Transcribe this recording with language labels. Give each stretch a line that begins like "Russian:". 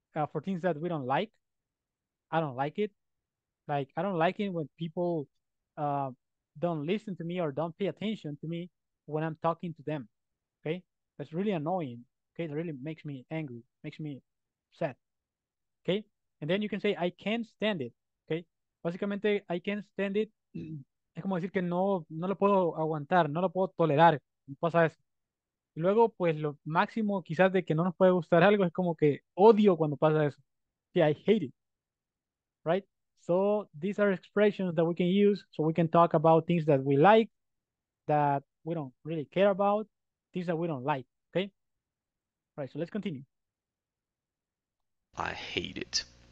English: For things that we don't like, I don't like it. Like, I don't like it when people don't listen to me or don't pay attention to me when I'm talking to them, okay? That's really annoying, okay? That really makes me angry, makes me sad, okay? And then you can say, I can't stand it, okay? Básicamente, I can't stand it.
Spanish: Es como decir que no lo puedo aguantar, no lo puedo tolerar, pasa eso. Y luego, pues, lo máximo quizás de que no nos puede gustar algo es como que odio cuando pasa eso.
English: Yeah, I hate it, right? So these are expressions that we can use. So we can talk about things that we like, that we don't really care about, things that we don't like. Okay. All right. So let's continue. I hate it.